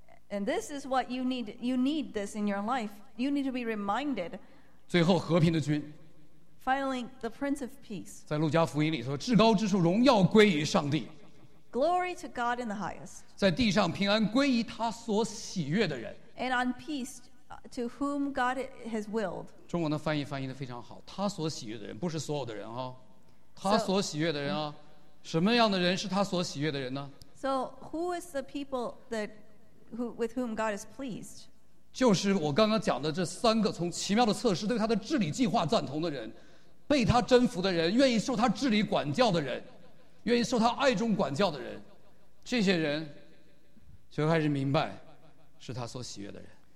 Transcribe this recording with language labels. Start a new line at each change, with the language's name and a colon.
English: And this is what you need this in your life. You need to be reminded.
Chinese: 最后和平的君。
English: Finally, the Prince of Peace.
Chinese: 在路加福音里说，至高之处荣耀归于上帝。
English: Glory to God in the highest.
Chinese: 在地上平安归于他所喜悦的人。
English: And on peace to whom God has willed.
Chinese: 中文的翻译翻译的非常好，他所喜悦的人，不是所有的人啊，他所喜悦的人啊，什么样的人是他所喜悦的人呢？
English: So who is the people with whom God is pleased?
Chinese: 就是我刚刚讲的这三个，从奇妙的测试对他的治理计划赞同的人，被他征服的人，愿意受他治理管教的人，愿意受他爱中管教的人，这些人就开始明白是他所喜悦的人。